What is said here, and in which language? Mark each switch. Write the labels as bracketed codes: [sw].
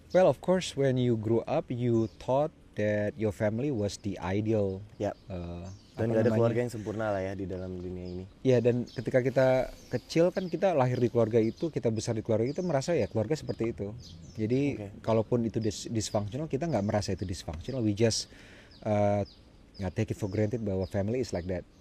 [en] Well, of course, when you grew up, you thought that your family was the ideal. [id] Yep. Dan gak ada keluarga yang sempurna lah ya di dalam dunia ini. Ya, dan ketika kita kecil kan kita lahir di keluarga itu, kita besar di keluarga itu, merasa ya keluarga seperti itu. Jadi, okay, kalaupun itu dysfunctional, kita gak merasa itu dysfunctional. [en] We just [id] gak [en] take it for granted [id] bahwa [en] family is like that.